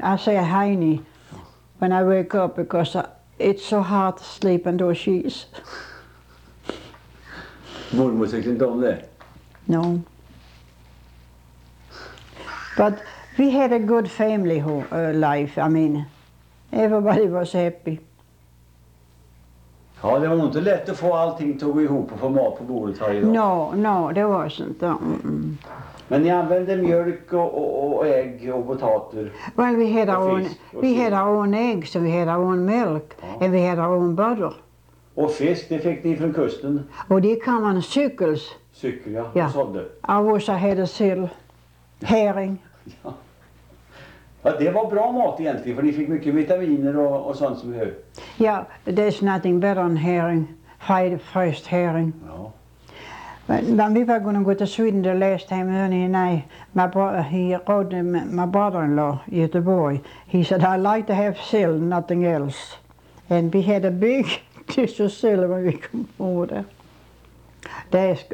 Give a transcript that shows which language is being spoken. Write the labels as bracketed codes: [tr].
[en] I say hiney when I wake up because it's so hard to sleep in those sheets. Mormor takes it down there? No. But we had a good family life, I mean. Everybody was happy. [sv] Ja, det var inte lätt att få allting att gå ihop och få mat på bordet här idag. No, det var inte. Men ni använde mjölk och ägg och potatis. [en] Well, we had our own eggs and we had our own milk, ja. And we had our own butter. [sv] Och fisk, det fick ni från kusten. Och det kom man cykels. Cykel, ja. Ja. Sådde. [en] I wish I had a sill. Herring. [sv] Ja. Ja, det var bra mat egentligen, för ni fick mycket vitaminer och sånt som hör. [en] Ja, there's nothing better than herring, fresh herring. [sv] Ja. [en] When we were going to go to Sweden the last time, Ernie and I, my brother, he wrote my brother-in-law, Göteborg. He said, "I like to have sill, nothing else." And we had a big dish of sill when we came over there.